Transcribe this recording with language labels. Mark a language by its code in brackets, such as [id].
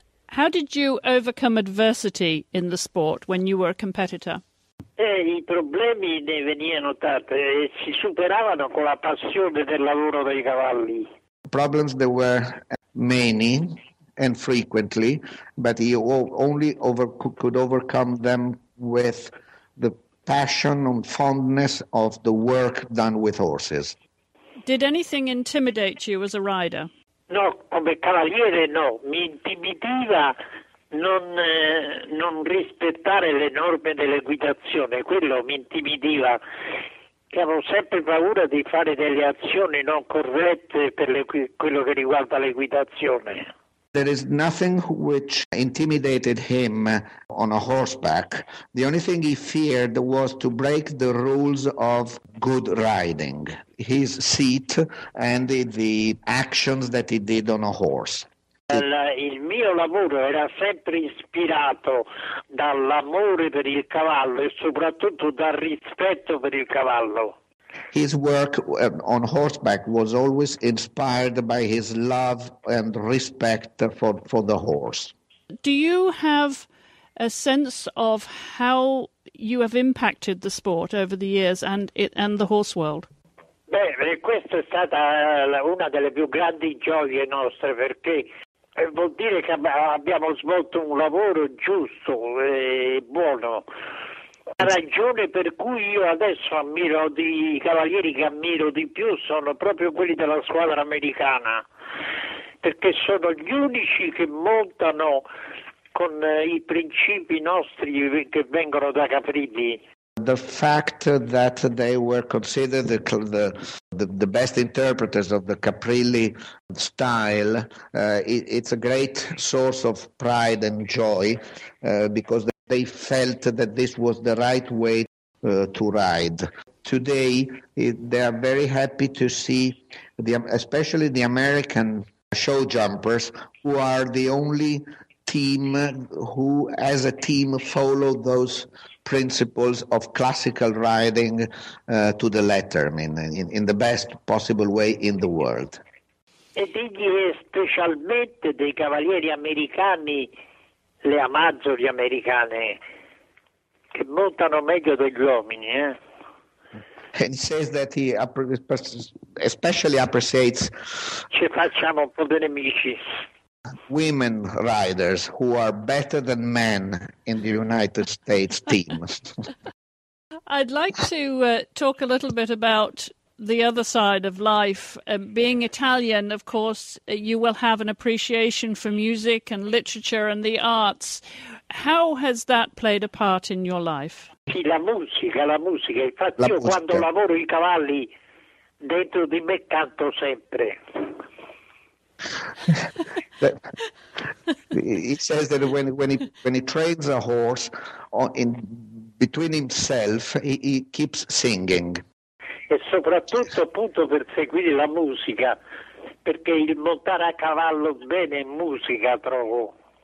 [en] How did you overcome adversity in the sport when you were a competitor? [it] I problemi ne venivano tanti e si superavano con la passione del lavoro dei cavalli. [en] Problems there were many and frequently, but he only could overcome them with the passion and fondness of the work done with horses. Did anything intimidate you as a rider? [it] No, come cavaliere no, mi intimidiva non rispettare le norme dell'equitazione, quello mi intimidiva, che avevo sempre paura di fare delle azioni non corrette per quello che riguarda l'equitazione. [en] There is nothing which intimidated him on a horseback. The only thing he feared was to break the rules of good riding, his seat and the actions that he did on a horse. [it] Il mio lavoro era sempre ispirato dall'amore per il cavallo e soprattutto dal rispetto per il cavallo. [en] His work on horseback was always inspired by his love and respect for the horse. Do you have a sense of how you have impacted the sport over the years and the horse world? [it] Beh, questa è stata una delle più grandi gioie nostre, perché vuol dire che abbiamo svolto un lavoro giusto e buono. La ragione per cui io adesso ammiro, i cavalieri che ammiro di più sono proprio quelli della squadra americana, perché sono gli unici che montano con i principi nostri che vengono da Caprilli. [en] The fact that they were considered the best interpreters of the Caprilli style, it's a great source of pride and joy, because they felt that this was the right way to ride. Today, they are very happy to see, especially the American show jumpers, who are the only team who, as a team, follow those principles of classical riding to the letter, in the best possible way in the world. [it] Ed egli è specialmente dei cavalieri americani, le amazzoni americane, che montano meglio degli uomini. [en] And he says that he especially appreciates. [it] Ci facciamo un po' di nemici. [en] Women riders who are better than men in the United States teams. I'd like to talk a little bit about the other side of life. Being Italian, of course, you will have an appreciation for music and literature and the arts. How has that played a part in your life? [it] La musica. Infatti, la musica. Io quando lavoro i cavalli, dentro di me canto sempre. [en] He says that when he trains a horse, in between himself, he keeps singing. [it] E soprattutto appunto per seguire la musica, perché il montare a cavallo bene è musica, trovo.